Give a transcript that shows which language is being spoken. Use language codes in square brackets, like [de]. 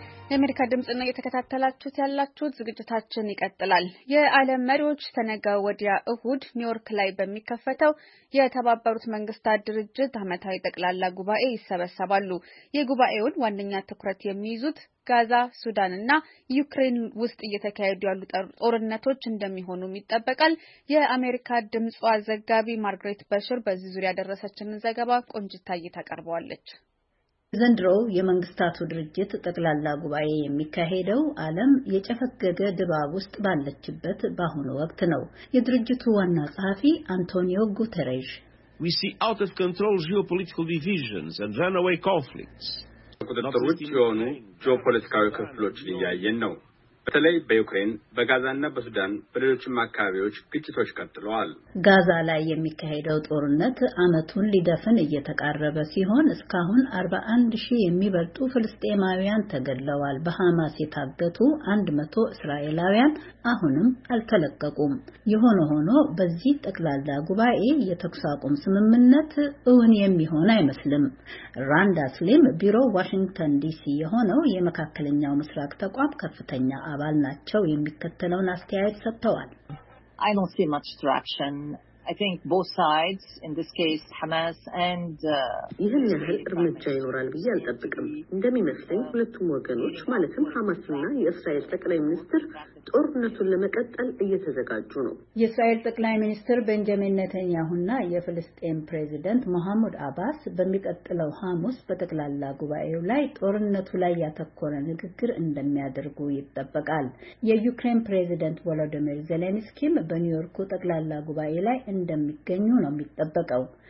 [am] የአሜሪካ ድምጽ ነው የተከታተላችሁት ያላችሁት። ዝግጅታችን ይቀጥላል። የዓለም መሪዎች ተነገ ወዲያ እሁድ ኒውዮርክ ላይ በሚከፈተው የተባበሩት መንግስታት ድርጅት ዓመታዊ ጠቅላላ ጉባኤ ይሰበሰባሉ። የጉባኤውን ዋነኛ ትኩረት የሚይዙት ጋዛ፣ ሱዳንና ዩክሬን ውስጥ እየተካሄዱ ያሉ ጦርነቶች እንደሚሆኑ ይጠበቃል። የአሜሪካ ድምጽ ዘጋቢ ማርግሬት በሽር በዚህ ዙሪያ ደረሰችን ዘገባ ቆንጅታዬ ታቀርባለች። ዘንድሮ የመንግስታቱ ድርጅት ጠቅላላ ጉባኤ የሚካሄደው ዓለም የጨፈገገ ድባብ ውስጥ ባለችበት በአሁኑ ወቅት ነው። የድርጅቱ ዋና ጸሐፊ አንቶኒዮ ጉተሬዥ [en] We see out of control geopolitical divisions and runaway conflicts. [am] ቁጥሮች የሆኑ ጂኦፖለቲካዊ ክፍሎች እያየን ነው። በተለይ በዩክሬን፣ በጋዛና በሱዳን በሌሎችም አካባቢዎች ግጭቶች ቀጥለዋል። ጋዛ ላይ የሚካሄደው ጦርነት አመቱን ሊደፍን እየተቃረበ ሲሆን እስካሁን 41,000 የሚበልጡ ፍልስጤማውያን ተገድለዋል። በሐማስ የታገቱ 100 እስራኤላውያን አሁንም አልተለቀቁም። የሆነ ሆኖ በዚህ ጠቅላላ ጉባኤ የተኩስ አቁም ስምምነት እውን የሚሆን አይመስልም። ራንዳ ስሊም ቢሮ ዋሽንግተን ዲሲ የሆነው የመካከለኛው ምስራቅ ተቋም ከፍተኛ አባል ናቸው የሚከተለውን አስተያየት ሰጥተዋል። [en] I don't see much traction. I think both sides, in this case, Hamas and... [am] ይህን ያህል እርምጃ ይኖራል ብዬ አልጠብቅም። እንደሚመስለኝ ሁለቱም ወገኖች ማለትም ሐማስና የእስራኤል ጠቅላይ ሚኒስትር ጦርነቱን ለመቀጠል እየተዘጋጁ ነው። የእስራኤል ጠቅላይ ሚኒስትር ቤንጃሚን ነተንያሁና የፍልስጤም ፕሬዚደንት መሐሙድ አባስ በሚቀጥለው ሐሙስ በጠቅላላ ጉባኤው ላይ ጦርነቱ ላይ ያተኮረ ንግግር እንደሚያደርጉ ይጠበቃል። የዩክሬን ፕሬዚደንት ቮሎዲሚር ዜሌንስኪም በኒውዮርኩ ጠቅላላ ጉባኤ ላይ እንደሚገኙ ነው የሚጠበቀው።